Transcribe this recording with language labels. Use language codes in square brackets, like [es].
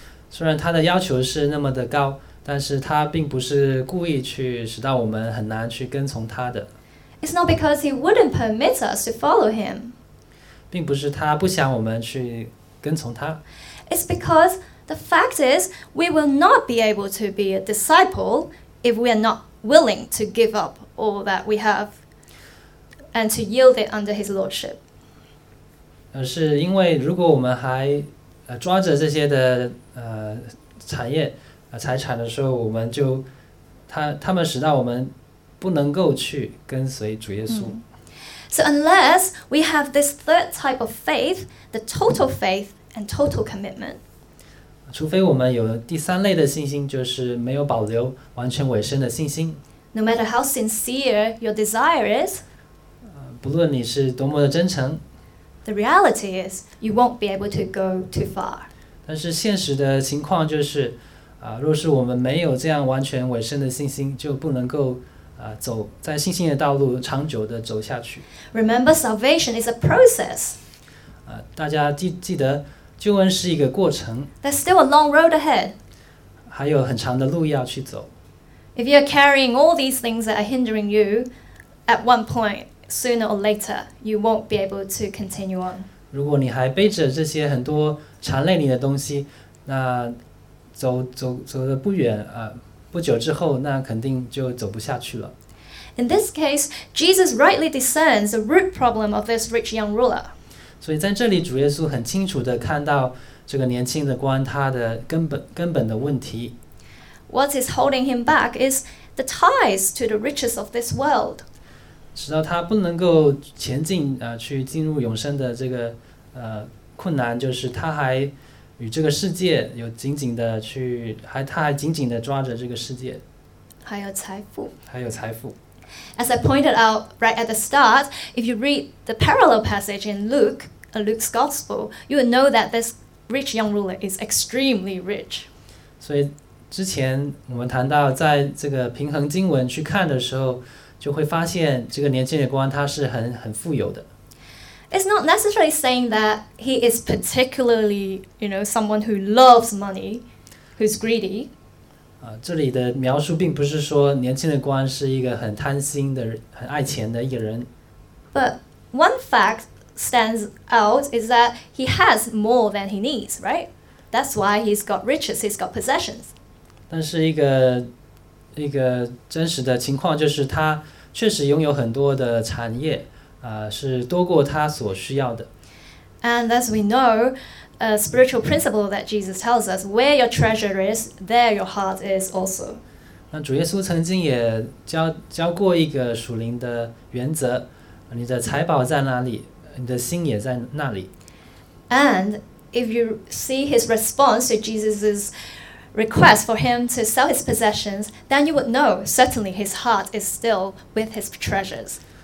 [zh] 虽然他的要求是那么的高，但是他并不是故意去使到我们很难去跟从他的。 [en] It's not because he wouldn't permit us to follow him. [zh] 并不是他不想我们去跟从他。 [en] It's because the fact is, we will not be able to be a disciple if we are not willing to give up all that we have and to yield it under his lordship. [zh] 是因为如果我们还抓着这些的产业财产的时候，我们就他们使到我们不能够去跟随主耶稣。 [en] So unless we have this third type of faith, the total faith and total commitment, [zh] 除非我们有第三类的信心，就是没有保留、完全委身的信心。 [en] No matter how sincere your desire is, [zh] 不论你是多么的真诚。 [en] The reality is, you won't be able to go too far. [zh] 但是现实的情况就是，若是我们没有这样完全委身的信心，就不能够走在信心的道路长久的走下去。 [en] Remember, salvation is a process. [zh] 大家记得，救恩是一个过程。 [en] There's still a long road ahead. [zh] 还有很长的路要去走。 [en] If you're carrying all these things that are hindering you, at one point, sooner or later, you won't be able to continue on. [zh] 如果你还背着这些很多缠累你的东西，那走得不远，不久之后，那肯定就走不下去了。 [en] In this case, Jesus rightly discerns the root problem of this rich young ruler. [zh] 所以在这里，主耶稣很清楚地看到这个年轻的官他的根本的问题。 [en] What is holding him back is the ties to the riches of this world. [zh] 使到他不能够前进，去进入永生的这个困难，就是他还与这个世界有紧紧的去，还他还紧紧的抓着这个世界，还有财富。 [en] As I pointed out right at the start, if you read the parallel passage in Luke's Gospel, you will know that this rich young ruler is extremely rich. [zh] 所以之前我们谈到在这个平衡经文去看的时候，就会发现这个年轻人官他是很富有的。 [en] It's not necessarily saying that he is particularly, you know, someone who loves money, who's greedy. [zh] 这里的描述并不是说年轻的官是一个很贪心的、很爱钱的一个人。 [en] But one fact stands out is that he has more than he needs, right? That's why he's got riches, he's got possessions. [zh] 但是一个真实的情况就是他确实拥有很多的产业。是多过他所需要的。 [en] And as we know, a spiritual principle that Jesus tells us, where your treasure is, there your heart is also. [zh] 那主耶稣曾经也教过一个属灵的原则，你的财宝在哪里，你的心也在那里。 [en] And if you see his response to Jesus' request for him to sell his possessions, then you would know, certainly his heart is still with his treasures.